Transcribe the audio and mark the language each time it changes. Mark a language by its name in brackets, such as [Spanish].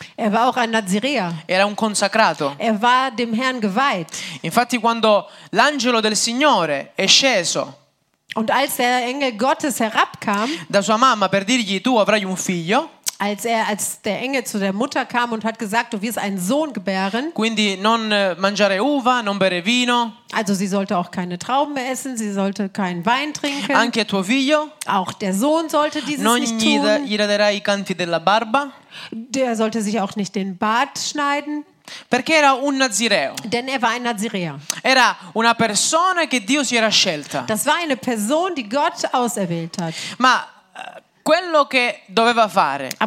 [German] Er war auch ein Nazireer. [Italian] Era un consacrato. [German] Er war dem Herrn geweiht. [Italian] Infatti quando l'angelo del Signore è sceso. [German] Und als der Engel Gottes herabkam. [Italian] Da sua mamma per dirgli tu avrai un figlio. [German] Als der Engel zu der Mutter kam und hat gesagt, du wirst einen Sohn gebären. [Italian] Quindi non mangiare uva, non bere vino. [German] Also sie sollte auch keine Trauben essen, sie sollte keinen Wein trinken. [Italian] Anche tuo figlio. [German] Auch der Sohn sollte dieses [Italian] non [German] nicht tun. [Italian] Non gli darai i canti della barba. [German] Der sollte sich auch nicht den Bart schneiden. [Italian] Perché era un Nazireo. [German] Denn er war ein Nazireer. [Italian] Era una persona che Dio si era scelta. [German] Das war eine Person, die Gott auserwählt hat. [Italian] Ma quello che doveva fare